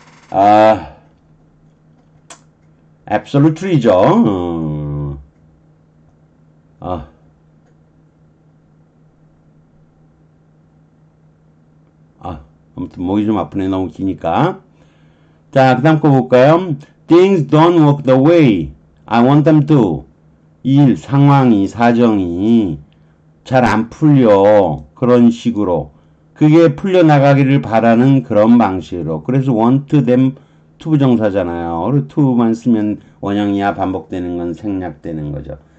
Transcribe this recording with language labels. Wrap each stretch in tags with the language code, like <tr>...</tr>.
<ko>아, absolutely죠. 아, 아무튼 목이 좀 아프네. 너무 기니까. 자, 그 다음 거 볼까요?</ko> <en>Things don't work the way I want them to.</en> <ko>일, 상황이, 사정이 잘안 풀려. 그런 식으로. 그게 풀려나가기를 바라는 그런 방식으로. 그래서 want them to 부정사잖아요. to만 쓰면 원형이야. 반복되는 건 생략되는 거죠.</ko>